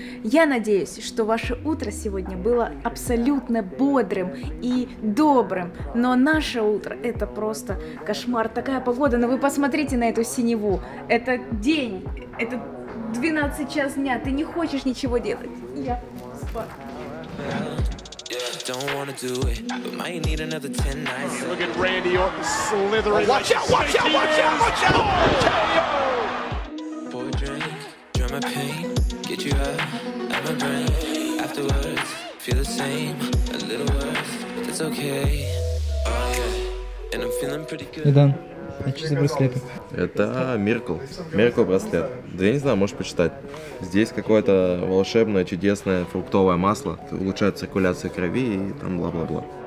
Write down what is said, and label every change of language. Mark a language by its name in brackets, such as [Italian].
[Russian] Я надеюсь, что ваше утро сегодня было абсолютно бодрым и добрым, но наше утро – это просто кошмар. Такая погода, но вы посмотрите на эту синеву. Это день, это 12 час дня, ты не хочешь ничего делать. Я спать. [English] Don't wanna do it, but might need another 10 nights. Look at Randy Orton slithering. Oh, watch out, watch out, watch out, watch out! Pour a drink, drown my pain, get you out of my brain. Afterwards, feel the same, a little worse, but it's okay. Oh yeah, and I'm feeling pretty good. You're done. [Russian] А что за браслеты? Это Меркл. Меркл браслет. Да я не знаю, можешь почитать. Здесь какое-то волшебное, чудесное фруктовое масло. Улучшает циркуляцию крови и там бла-бла-бла.